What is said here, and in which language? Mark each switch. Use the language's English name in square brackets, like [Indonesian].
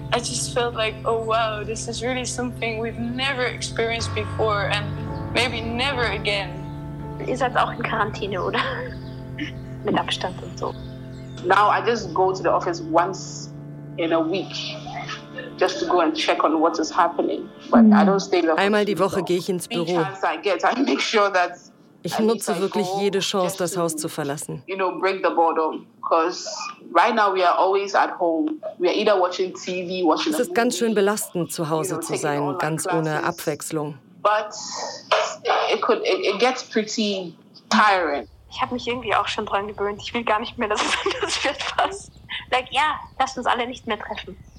[English] I just felt like, oh wow, this is really something we've never experienced before and maybe never again. [German] Ihr seid auch in Quarantäne, oder? Mit Abstand und so. [English] Now I just go to the office once in a week. Just to go and check on what is happening. But I don't stay in the office. [German] Einmal die Woche gehe ich ins Büro. Ich nutze wirklich jede Chance, das Haus zu verlassen. [English] You know, break the boredom. Because right now we are always at home. We are either watching TV, watching. [German] Es ist ganz schön belastend, zu Hause zu sein, ganz ohne Abwechslung. [English] But it gets pretty tiring. [German] Ich habe mich irgendwie auch schon dran gewöhnt. Ich will gar nicht mehr, dass es anders wird. Was? [English] Like, [German] ja, lasst uns alle nicht mehr treffen.